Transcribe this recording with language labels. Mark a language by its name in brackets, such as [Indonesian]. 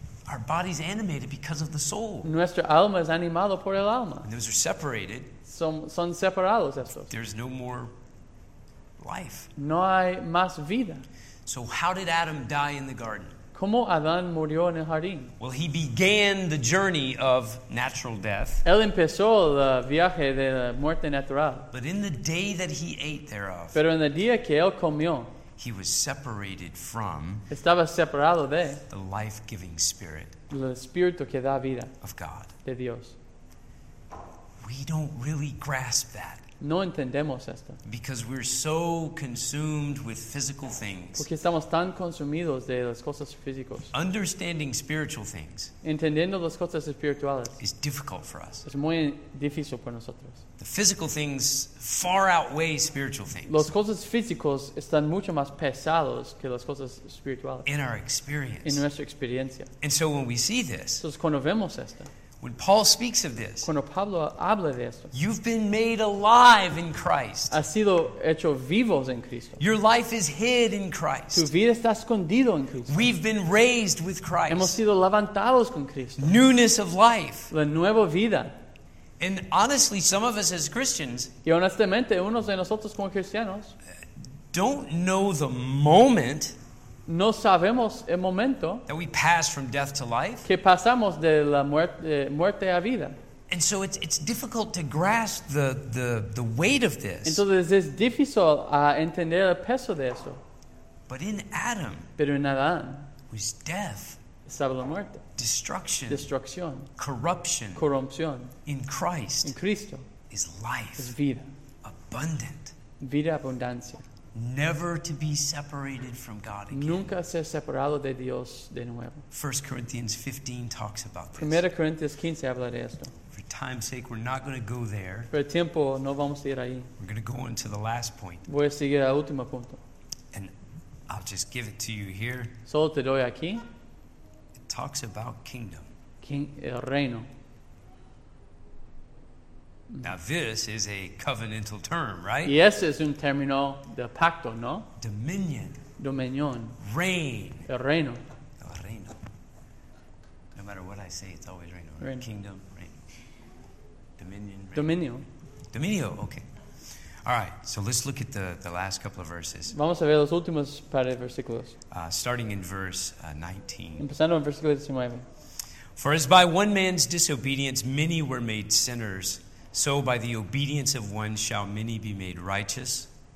[English] Our body's animated because of the soul. [Spanish] Nuestra alma es animado por el alma. [English] And those are separated. [Spanish] Son separados estos. [English] There's no more life. [Spanish] No hay más vida. [English] So how did Adam die in the garden? [Spanish] ¿Cómo Adán murió en el jardín? [English] Well, he began the journey of natural death. [Spanish] Él empezó el viaje de la muerte natural. [English] But in the day that he ate thereof, [Spanish] pero en el día que él comió, [English] he was separated from, [Spanish] estaba separado de, [English] the life-giving spirit, [Spanish] el espíritu que da vida, [English] of God, [Spanish] de Dios. [English] We don't really grasp that. [Spanish] No entendemos esto. [English] Because we're so consumed with physical things. [Spanish] Porque estamos tan consumidos de las cosas físicas. [English] Understanding spiritual things. [Spanish] Entendiendo las cosas espirituales. [English] Is difficult for us. [Spanish] Es muy difícil para nosotros. [English] The physical things far outweigh spiritual things. [Spanish] Las cosas físicas están mucho más pesados que las cosas espirituales. [English] In our experience. [Spanish] En nuestra experiencia. [English] And so when we see this. [Spanish] Entonces cuando vemos esto. [English] When Paul speaks of this, [Spanish] cuando Pablo habla de esto, [English] you've been made alive in Christ. [Spanish] Has sido hecho vivos en Cristo. [English] Your life is hid in Christ. [Spanish] Tu vida está escondido en Cristo. [English] We've been raised with Christ. [Spanish] Hemos sido levantados con Cristo. [English] Newness of life. [Spanish] La nueva vida. [English] And honestly, some of us as Christians, [Spanish] y honestamente, unos de nosotros como cristianos, [English] don't know the moment. [Spanish] No sabemos el momento [English] that we pass from death to life. [Spanish] Que pasamos de la muerte a vida. [English] And so it's difficult to grasp the weight of this. [Spanish] Entonces es difícil entender el peso de eso. [English] But in Adam, [Spanish] pero en Adán, [English] was death, [Spanish] estaba la muerte, [English] destruction, corruption, in Christ, [Spanish] en Cristo, [English] is life, [Spanish] es vida, [English] abundant, [Spanish] vida abundancia. [English] Never to be separated from God again. [Spanish] Nunca ser separado de Dios de nuevo. [English] 1 Corinthians 15 talks about this. [Spanish] 1 Corinthians 15 habla de esto. [English] For time's sake, we're not going to go there. [Spanish] Por el tiempo, no vamos a ir ahí. [English] We're going to go on to the last point. [Spanish] Voy a seguir al último punto. [English] And I'll just give it to you here. [Spanish] Solo te doy aquí. [English] It talks about kingdom. [Spanish] El reino. [English] Now this is a covenantal term, right? [Spanish] Y ese es un término de pacto, ¿no? [English] Dominion. Dominion. Reign. [Spanish] El reino. El reino. [English] No matter what I say, it's always reino. Reino. Kingdom, reign. Dominion, reign. [Spanish] Dominio. Dominio, okay. [English] All right, so let's look at the last couple of verses. [Spanish] Vamos a ver los últimos par de versículos. [English] Starting in verse 19. [Spanish] Empezando en versículo 19. [English] For as by one man's disobedience many were made sinners, so by the obedience of one shall many be made righteous.